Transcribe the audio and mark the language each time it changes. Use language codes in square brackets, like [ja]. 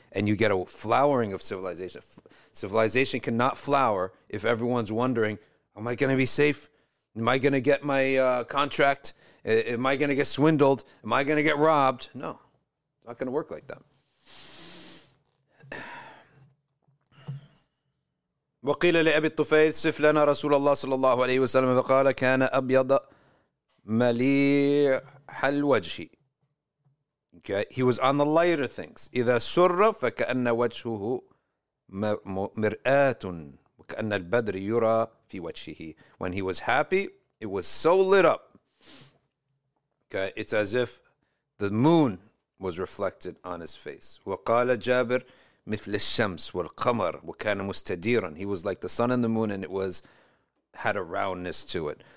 [en] And you get a flowering of civilization. Civilization cannot flower if everyone's wondering, am I going to be safe? Am I going to get my contract? Am I going to get swindled? Am I going to get robbed? No, it's not going to work like that. [ar] وقيل لأبي الطفيل صف لنا رسول الله صلى الله عليه وسلم فقال كان أبيض مليع الوجه. [en] Okay, he was on the lighter things. [ar] إذا سر فكأن وجهه مرآة وكأن البدر يرى في وجهه. [en] When he was happy, it was so lit up. Okay, it's as if the moon was reflected on his face. [ar] وَقَالَ جَابِرْ مِثْلِ الشَّمْسِ وَالْقَمَرْ وَكَانَ مُسْتَدِيرًا. [en] He was like the sun and the moon, and it was had a roundness to it.